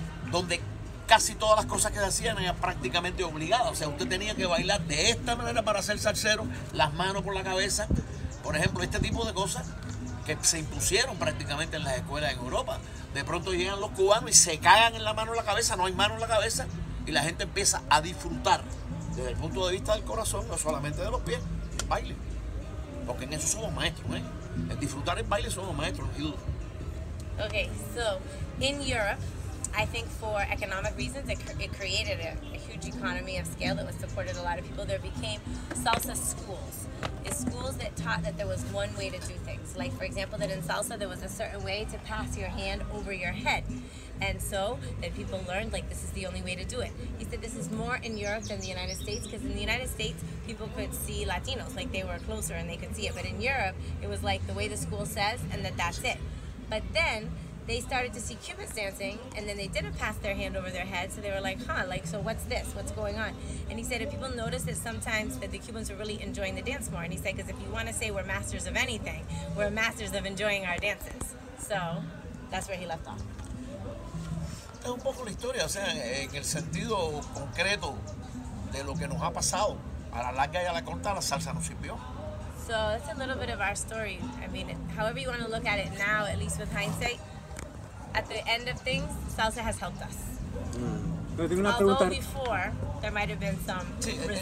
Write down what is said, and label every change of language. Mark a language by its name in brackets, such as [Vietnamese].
[Spanish] donde casi todas las cosas que se hacían eran prácticamente obligadas. O sea, usted tenía que bailar de esta manera para ser salsero, las manos por la cabeza, por ejemplo, este tipo de cosas que se impusieron prácticamente en las escuelas en Europa. De pronto llegan los cubanos y se cagan en la mano en la cabeza, no hay mano en la cabeza, y la gente empieza a disfrutar desde el punto de vista del corazón, no solamente de los pies, el baile. Porque en eso somos maestros, ¿eh? En disfrutar el baile somos maestros, no hay duda. [English] Okay, so in Europe, I think for economic reasons, it created a huge economy of scale that was supported a lot of people. There became salsa schools. It's schools that taught that there was one way to do things. Like, for example, that in salsa, there was a certain way to pass your hand over your head. And so that people learned, like, this is the only way to do it. He said this is more in Europe than the United States, because in the United States, people could see Latinos, like they were closer and they could see it. But in Europe, it was like the way the school says, and that's it. But then they started to see Cubans dancing, and then they didn't pass their hand over their head, so they were like, huh, like, so what's this? What's going on? And he said, if people noticed that sometimes that the Cubans were really enjoying the dance more, and he said, because if you want to say we're masters of anything, we're masters of enjoying our dances. So that's where he left off. [Spanish] Es un poco la historia, o sea, en el sentido concreto de lo que nos ha pasado, a la larga y a la corta, la salsa nos sirvió. [English] So that's a little bit of our story. I mean, however you want to look at it now, at least with hindsight, at the end of things, salsa has helped us. Although before, there might have been some resentment.